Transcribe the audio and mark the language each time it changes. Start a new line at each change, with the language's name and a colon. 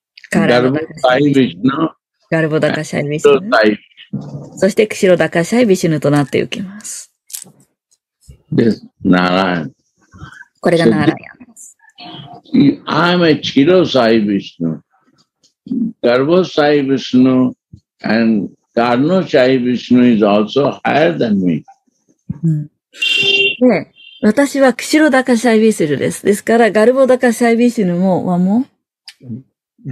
Japanese: カルノ・ シャイ・ヴィシュヌ。ガルボダカ・シャイ・ヴィシュヌ。そして、クシロダカシャイビシュヌとなってゆきます。
English: This Narayan.
Japanese: これがナーラヤンです。
English: I'm a Chiro Sai Vishnu. Garbha Sai Vishnu and Karno Sai Vishnu is also higher than me.、
Japanese: うん、で私はクシロダカシャイビシュヌです。ですから、ガルボダカシャイビシュヌもはもう。